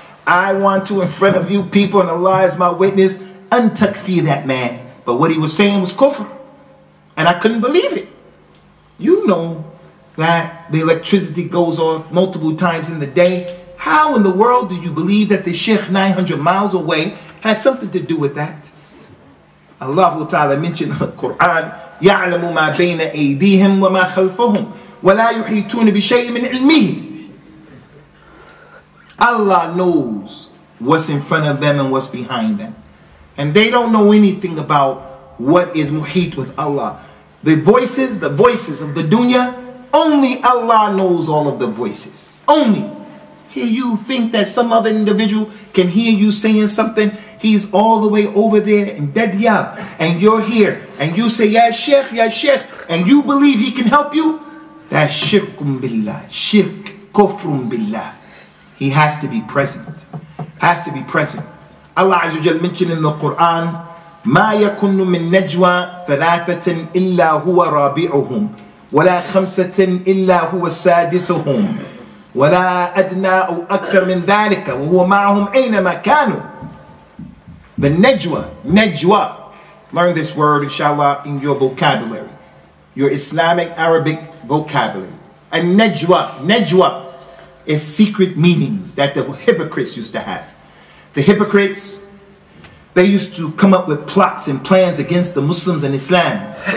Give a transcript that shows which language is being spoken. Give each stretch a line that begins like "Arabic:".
English: I want to, in front of you people, and Allah is my witness, untakfir that man. But what he was saying was kufr. And I couldn't believe it. You know that the electricity goes off multiple times in the day. How in the world do you believe that the Sheikh 900 miles away has something to do with that?
Arabic: Allah Ta'ala mentioned in the Quran, يَعْلَمُ مَا بَيْنَ أَيْدِيهِمْ وَمَا خَلْفَهُمْ وَلَا يُحِيطُونَ بِشَيْءٍ مِنْ عِلْمِهِ.
English: Allah knows what's in front of them and what's behind them. And they don't know anything about what is muhit with Allah. The voices of the dunya, only Allah knows all of the voices. Only. Here you think that some other individual can hear you saying something. He's all the way over there in Dadyab. And you're here. And you say, ya Sheikh, and you believe he can help you. That's shirkum billah. Shirk kufrum billah. He has to be present. Has to be present.
Arabic: Allah Azza wa Jalla mentioned in the Quran, مَا يَكُنُّ مِنْ نَجْوَى ثَلَاثَةٍ إِلَّا هُوَ رَابِعُهُمْ وَلَا خَمْسَةٍ إِلَّا هُوَ سَادِسُهُمْ وَلَا أَدْنَى أَوْ أَكْثَرْ مِنْ ذَلِكَ وَهُوَ مَعَهُمْ أَيْنَ مَا كَانُوا.
English: The Najwa, Najwa. Learn this word, inshallah, in your vocabulary. Your Islamic Arabic vocabulary. A Najwa, Najwa is secret meetings that the hypocrites used to have. The hypocrites, they used to come up with plots and plans against the Muslims and Islam.